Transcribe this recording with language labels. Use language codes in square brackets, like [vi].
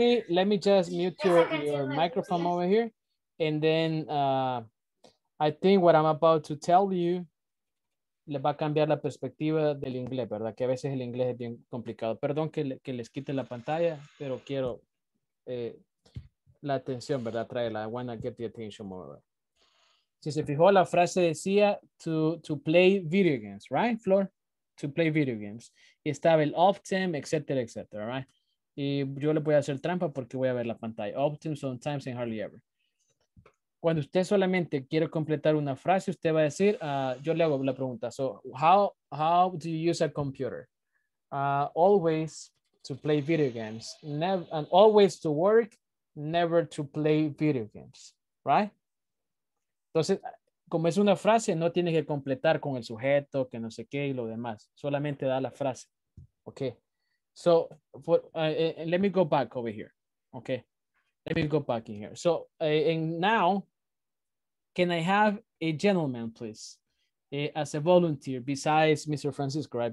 [en] Let me just mute your microphone over here. And then I think what I'm about to tell you [es] les va a cambiar la perspectiva del inglés, ¿verdad? Que a veces el inglés es bien complicado. Perdón que les quite la pantalla, pero quiero la atención, ¿verdad? Traerla. [en] I want to get the attention more. [es] Si se fijó, la frase decía [en] to play video games, right, Flor? To play video games. [es] Y estaba el often, etcétera, etcétera, right? Y yo le voy a hacer trampa porque voy a ver la pantalla. [en] Often, sometimes, and hardly ever. [es] Cuando usted solamente quiere completar una frase, usted va a decir, yo le hago la pregunta. [en] So, how do you use a computer? Always to play video games. And always to work, never to play video games, right? [es] Entonces, como es una frase, no tiene que completar con el sujeto, que no sé qué y lo demás. Solamente da la frase. [en] Okay. So, let me go back over here. Okay. Let me go back in here. So, and now, can I have a gentleman, please, as a volunteer besides Mr. Francisco, right?